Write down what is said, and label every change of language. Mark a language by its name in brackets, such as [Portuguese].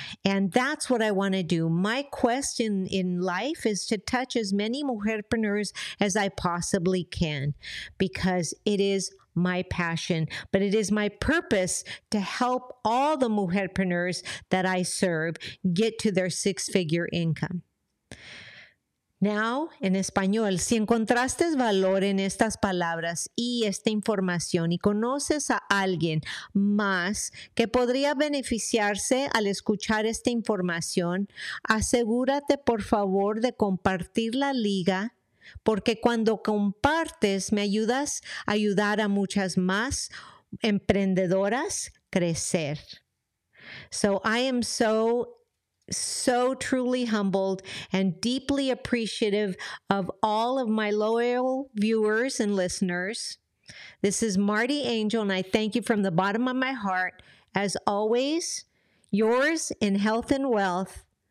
[English] And that's what I want to do. My quest in life is to touch as many mujerpreneurs as I possibly can because it is my passion, but it is my purpose to help all the mujerpreneurs that I serve get to their six-figure income. [Spanish] Now, en español, si encontraste valor en estas palabras y esta información y conoces a alguien más que podría beneficiarse al escuchar esta información, asegúrate, por favor, de compartir la liga, porque cuando compartes, me ayudas a ayudar a muchas más emprendedoras crecer. [English] So I am so truly humbled and deeply appreciative of all of my loyal viewers and listeners. This is Marty Angel, and I thank you from the bottom of my heart. As always, yours in health and wealth.